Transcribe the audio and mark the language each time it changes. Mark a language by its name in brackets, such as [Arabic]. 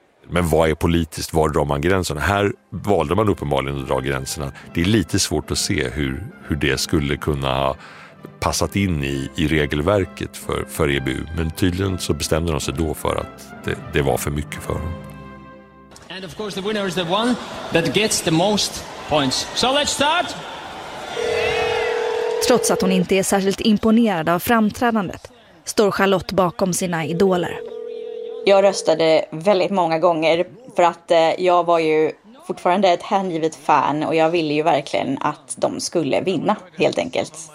[Swedish] Men vad är politiskt? Var drar man gränserna? Här valde man uppenbarligen att dra gränserna. Det är lite svårt att se hur det skulle kunna ha passat in i regelverket för EBU. Men tydligen så bestämde de sig då för att det var för mycket för dem. [English] And of course the winner is the one that gets the most points. So let's start! [Swedish] Trots att hon inte är särskilt imponerad av framträdandet står Charlotte bakom sina idoler. Jag röstade väldigt många gånger för att jag var ju fortfarande ett hängivet fan och jag ville ju verkligen att de skulle vinna, helt enkelt.